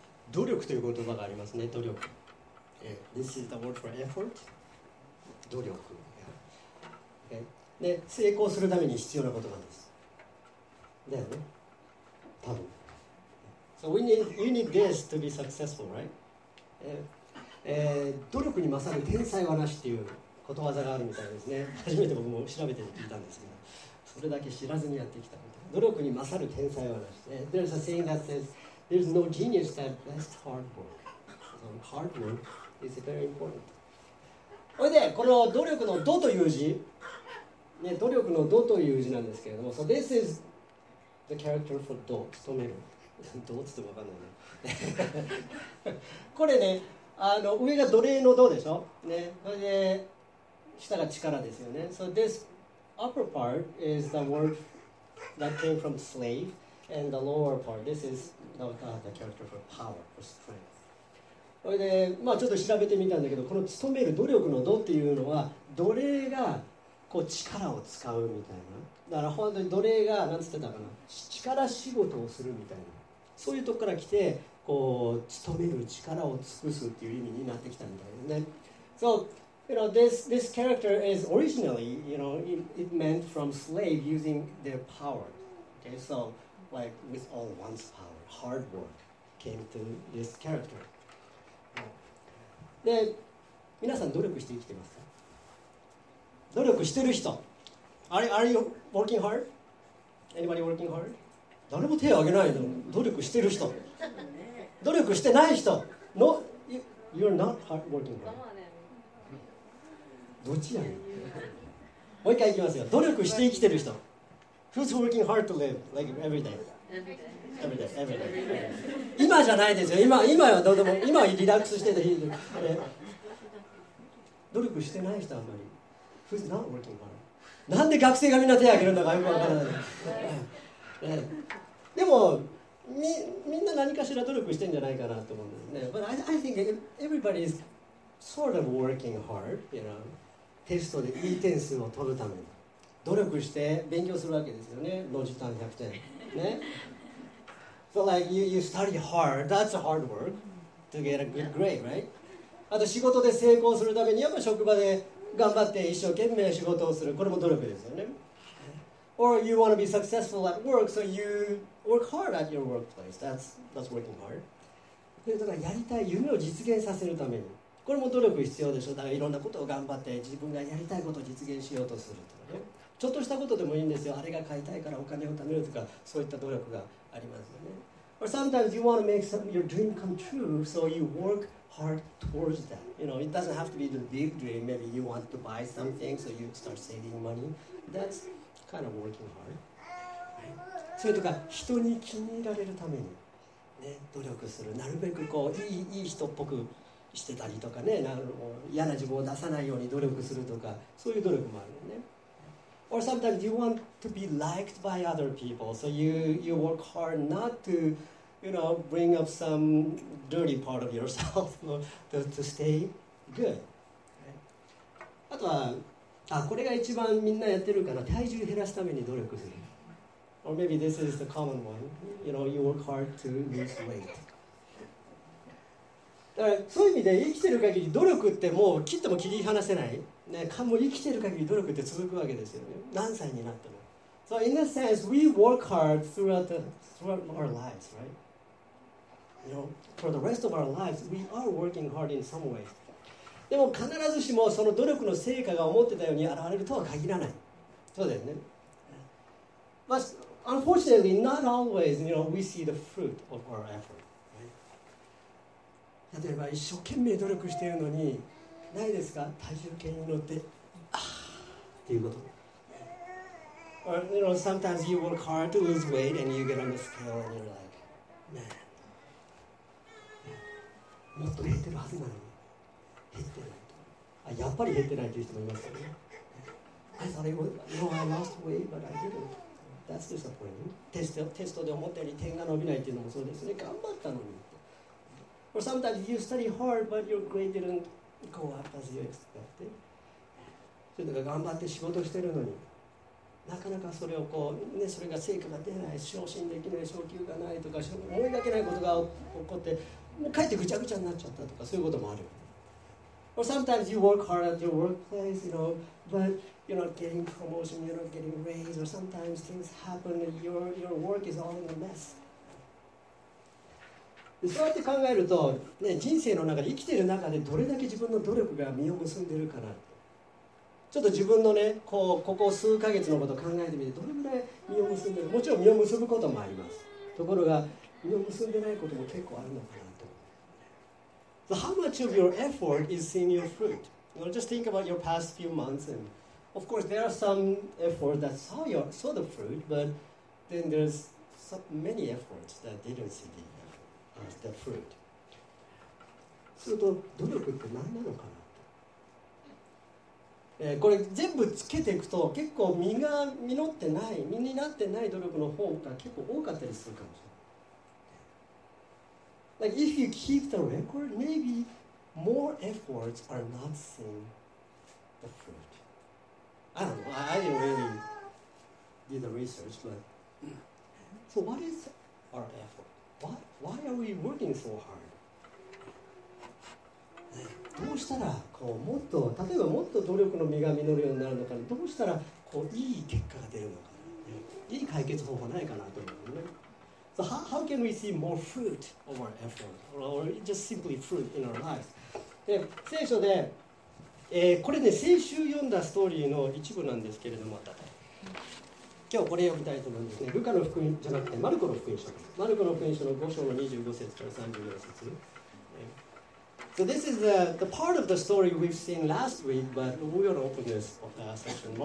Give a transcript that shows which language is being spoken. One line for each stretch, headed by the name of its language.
Japanese: 努力という言葉がありますね。努力。
English: This is the word for effort.
Japanese: 努力。で、成功するために必要な言葉です。だよね。多分。
English: So we need, you need this to be successful, right?
Japanese: 努力に勝る天才はなしっていうことわざがあるみたいですね。初めて僕も調べて聞いたんですけど、それだけ知らずにやってきたみたいな。努力に勝る天才はなし。
English: There's a saying that says, there's no genius that has hard work. So hard work is very important.
Japanese: それで、この努力の度という字、ね、努力の度という字なんですけれども、
English: So this is the character for
Japanese: 度、務める。どうつってもわかんないね。これね、あの上が奴隷の奴でしょ、ね、それで下が力ですよね。
English: So this upper part is the word that came from slave, and the lower part, this is the character for power, for strength.
Japanese: それで、まあ、ちょっと調べてみたんだけど、この務める努力の奴っていうのは奴隷がこう力を使うみたいな。だから本当に奴隷がなんつってたかな、力仕事をするみたいな。そういうとこから来て、こう努める力を尽くすっていう意味になってきたみたいですね。
English: So, you know, this character is originally, you know, it meant from slave using their power. Okay, so like with all one's power, hard work came to this character.
Japanese: で、皆さん努力して生きてますか？努力してる人、
English: are you working hard? Anybody working hard?
Japanese: 誰も手を挙げないの。努力してる人、努力してない人、
English: No, you're not hard working.
Japanese: どっちやねん。もう一回いきますよ。努力して生きてる人、
English: Who's working hard to live like every day? Every day, every day.
Japanese: 今じゃないですよ。今はどうでも、今はリラックスしてて、努力してない人あんまり。
English: Who's not working hard?
Japanese: なんで学生がみんな手を挙げるんだかよくわからない。でも みんな何かしら努力してんじゃないかなと思うんですね。
English: But I think everybody is sort of working hard, you know.
Japanese: テストでいい点数を取るために努力して勉強するわけですよね。ロジタン100点。ね。
English: So like you study hard, that's hard work to get a good grade, right?
Japanese: あと仕事で成功するためにやっぱ職場で頑張って一生懸命仕事をする、これも努力ですよね。
English: Or you want to be successful at work, so you work hard at your workplace. That's working hard.
Japanese: だからやりたい夢を実現させるために、これも努力必要でしょ。だからいろんなことを頑張って自分がやりたいことを実現しようとするとかね。ちょっとしたことでもいいんですよ。あれが買いたいからお金を貯めるとか、そういった努力がありますよね。
English: Or sometimes you want to make some, your dream come true, so you work hard towards that. You know, it doesn't have to be the big dream. Maybe you want to buy something, so you start saving money. That'sKind of working hard. Right.
Japanese: それとか人に気に入られるために、ね、努力する、なるべくこう いい人っぽくしてたりとかね、なる嫌な自分を出さないように努力するとか、そういう努力もあるよね。
English: Or sometimes you want to be liked by other people, so you work hard not to, you know, bring up some dirty part of yourself to stay good.
Japanese: あとはこれが一番みんなやってるから、体重減らすために努力する。
English: Or maybe this is the common one. You know, you work hard to lose weight.
Japanese: だからそういう意味で生きてる限り努力ってもう切っても切り離せない、ね、もう生きてる限り努力って続くわけですよね。何歳になっても。
English: So in a sense, we work hard throughout our lives, right? You know, for the rest of our lives, we are working hard in some way.
Japanese: でも必ずしもその努力の成果が思ってたように現れるとは限らない。そうだよね。
English: But unfortunately, not always, you know, we see the fruit of our effort.
Japanese: 例えば一生懸命努力しているのに、ないですか？体重計に乗って、っていうこと。
English: Or, you know, sometimes you work hard to lose weight and you get on the scale and you're like, man,
Japanese: もっと減ってるはずなのに。減ってないと、あ、やっぱり減ってないという人もいますけどね。
English: I thought I lost weight, but I didn't. That's disappointing.
Japanese: テストで思ったより点が伸びないっていうのもそうですね。頑張ったのにって。
English: Or sometimes you study hard, but your grade didn't go up as you expected.
Japanese: それとか頑張って仕事してるのに、なかなかそれをこう、ね、それが成果が出ない、昇進できない、昇給がないとか、思いがけないことが起こって、もう帰ってぐちゃぐちゃになっちゃったとか、そういうこともある。
English: Or sometimes you work hard at your workplace, you know, but you're not getting promotion, you're not getting raise, or sometimes things happen and your work is all in a mess.
Japanese: でそうやって考えると、ね、人生の中で、生きている中でどれだけ自分の努力が実を結んでいるかな。ちょっと自分のね、ここ数ヶ月のことを考えてみて、どれぐらい実を結んでる、もちろん実を結ぶこともあります。ところが、実を結んでないことも結構あるのかなと。
English: So how much of your effort is seeing your fruit? Well, just think about your past few months. And of course, there are some efforts that saw the fruit, but then there's so many efforts that didn't see the fruit.
Japanese: すると、努力って何なのかな？これ全部つけていくと結構実が実ってない実になってない努力の方が結構多かったりするかもしれない。
English: Like if you keep the record, maybe more efforts are not seeing the fruit. I don't know. I didn't really do the research, but so what is our effort? Why are we working so hard?
Japanese: どうしたらこうもっと例えばもっと努力の実が実るようになるのかどうしたらこういい結果が出るのかいい解決方法ないかなと思うね。
English: So how can we see more fruit of our effort or just simply fruit in our lives?
Japanese: で聖書で、これね先週読んだストーリーの一部なんですけれども今日これ読みたいと思うんですね。ルカの福音じゃなくてマルコの福音書。マルコの福音書の5章の25節から34節。
English: So this is the part of the story we've seen last week, but we will open this section.